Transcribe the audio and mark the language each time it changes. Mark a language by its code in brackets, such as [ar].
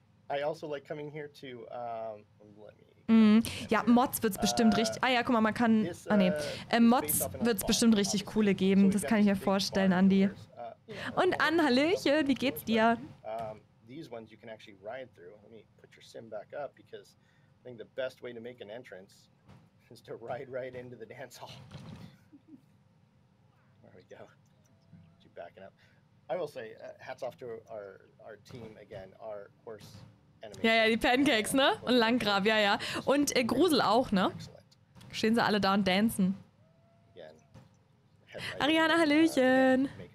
[en] I also like coming here to, let me. [de] Ja, Mods wird es bestimmt richtig. Ah ja, guck mal, man kann. Ah nee. Mods wird es bestimmt richtig coole geben. Das kann ich mir vorstellen, Andi. Und an, hallöchen, wie geht's dir? [en] These ones you can actually ride through. Let me put your sim back up, because I think the best way to make an entrance is to ride right into the dance hall. There we go. You backing up. I will say, hats off to our team again, our horse. [de] Ja, ja, die Pancakes, ne? Und Langgrab, ja, ja. Und Grusel auch, ne? Stehen sie alle da und dancen. Ariana, hallöchen.